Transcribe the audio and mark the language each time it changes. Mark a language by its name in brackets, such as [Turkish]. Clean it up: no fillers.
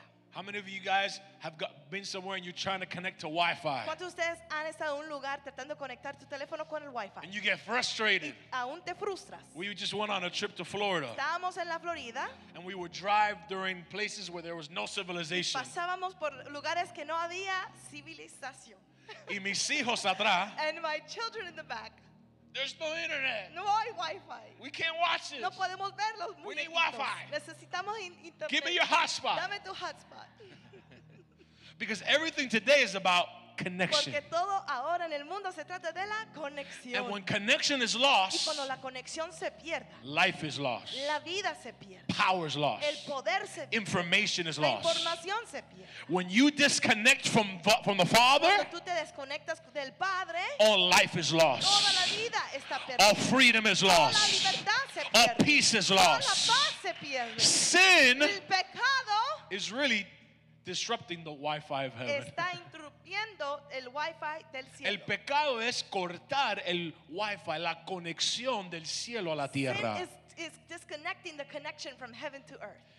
[English] How many of you guys have been somewhere and you're trying to connect to Wi-Fi? [Spanish] ¿Cuántos ustedes han estado en un lugar tratando de conectar tu teléfono con el Wi-Fi? [English] And you get frustrated. [Spanish] Y aún te frustras. [English] We just went on a trip to Florida. [Spanish] Estábamos en la Florida. [English] And we would drive during places where there was no civilization. [Spanish] Y pasábamos por lugares que no había civilización. Y mis hijos atrás. [English] And my children in the back. There's no internet. [Spanish] No hay Wi-Fi. [English] We can't watch this. [Spanish] No podemos ver los [English] we need Wi-Fi. [Spanish] Necesitamos internet. [English] Give me your hotspot. [Spanish] Dame tu hotspot. [English] Because everything today is about connection. [Spanish] Porque todo ahora en el mundo se trata de la conexión. [English] And when connection is lost, [Spanish] y cuando la conexión se pierda, [English] life is lost. [Spanish] La vida se pierde. [English] Power is lost. [Spanish] El poder se pierde. [English] Information is lost. [Spanish] La información se pierde. [English] When you disconnect from the Father, [Spanish] cuando tú te desconectas del Padre, [English] all life is lost. [Spanish] Toda la vida está perdida. [English] All freedom is lost. [Spanish] Toda la libertad se pierde. [English] All peace is lost. [Spanish] Toda la paz se pierde. [English] Sin [Spanish] el pecado [English] is really disrupting the Wi-Fi of heaven. [Spanish] Está interrumpiendo el Wi-Fi del cielo. El pecado es cortar el Wi-Fi, la conexión del cielo a la tierra. [English] Sin is disconnecting the connection from heaven to earth.